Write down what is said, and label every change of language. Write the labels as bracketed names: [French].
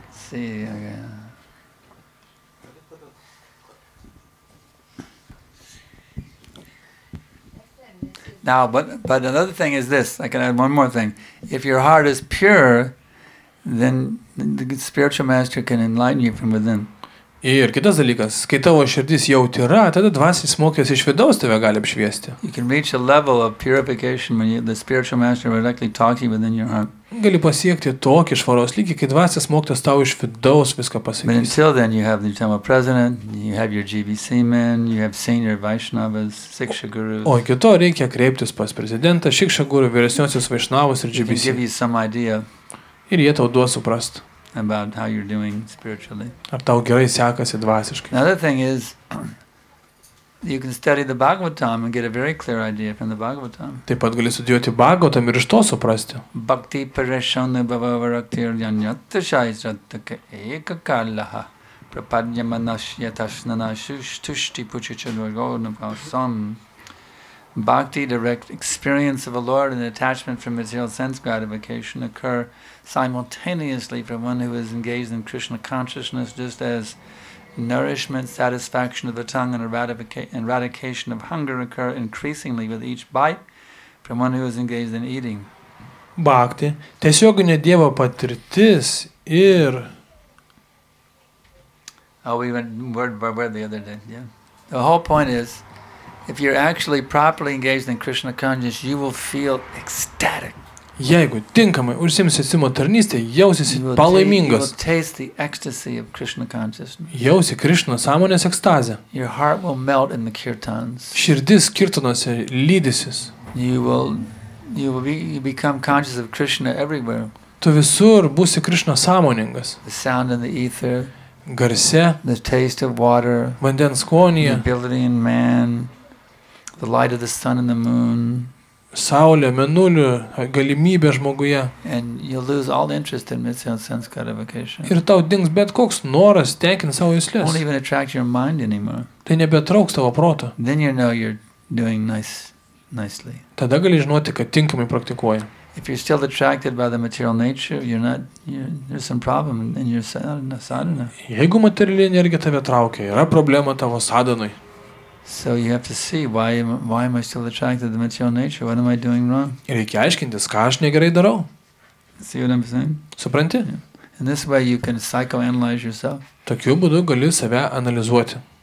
[English] See, Now, but another thing is this. I can add one more thing. If your heart is pure, then the spiritual master can enlighten you from within. [Lithuanian] Ir kitas dalykas, kai tavo širdis jau tyra, tada dvasinis mokytojas iš vidaus tave gali apšviesti. [English] You can reach a level of purification when the spiritual master will directly talk to you within your heart. [Lithuanian] Gali pasiekti tokį švaros lygį, kai dvasinis mokytojas tau iš vidaus viską pasakys. [English] But until then you have the temple president, you have your GBC men, you have senior Vaishnavas, Siksha Guru. [Lithuanian] O iki to reikia kreiptis pas prezidentą, Siksha Guru, vyresniosios Vaishnavas ir GBC. [English] They give you some idea. [Lithuanian] Ir jie tau duos suprasti. [English] About how you're doing spiritually. [Lithuanian] Ar tau gerai sekasi dvasiškai. [English] Another thing is, you can study the Bhagavatam and get a very clear idea from the Bhagavatam. [Lithuanian] Taip pat gali studijuoti Bhagavatam ir iš to suprasti. [Sanskrit] Bhakti parashana bhavavaraktir janyata shaisrataka eka kalaha prapadyamanash yatashnanash tushti puchichanvagonapasam. [English] Bhakti, direct experience of a Lord and attachment from material sense gratification occur simultaneously for one who is engaged in Krishna consciousness, just as nourishment, satisfaction of the tongue, and eradication of hunger occur increasingly with each bite from one who is engaged in eating. [Lithuanian] Bhakti, tiesioginė Dievo patirtis ir... [English] Oh, we went word by word the other day, yeah. The whole point is, if you're actually properly engaged in Krishna consciousness, you will feel ecstatic. [Lithuanian] Jeigu tinkamai užsiimsi atsimo tarnystę, jausiesi palaimingas. [English] You will taste the ecstasy of Krishna consciousness. [Lithuanian] Jausi Krishna sąmonės ekstazę. [English] Your heart will melt in the kirtans. [Lithuanian] Širdis kirtanose lydysis. [English] You become conscious of Krishna everywhere. [Lithuanian] Tu visur būsi Krishna sąmoningas. [English] The sound in the ether. [Lithuanian] Garse. [English] The taste of water. [Lithuanian] Vandens skonyje. [English] The ability in man. The light of the sun and the moon. [Lithuanian] Saulė, mėnulio, galimybė žmoguje. [English] And you lose all interest in material sense gratification. [Lithuanian] Ir tau dings bet koks noras tenkinti savo jauslius. [English] Won't even attract your mind anymore. [Lithuanian] Tai nebetrauks tavo proto. [English] Then you know you're doing nicely. [Lithuanian] Tada gali žinoti, kad tinkamai praktikuoji. [English] If you're still attracted by the material nature, there's some problem in your sadhana. [Lithuanian] Jeigu materialinė energija tave traukia, yra problema tavo sadhanai. [English] So you have to see why am I still attracted to the material nature? What am I doing wrong? [Lithuanian] Reikia aiškintis, ką aš negerai darau. [English] See what I'm saying? [Lithuanian] Supranti? Yeah. [English] In this way you can psychoanalyze yourself. [Lithuanian] Tokiu būdu gali save analizuoti.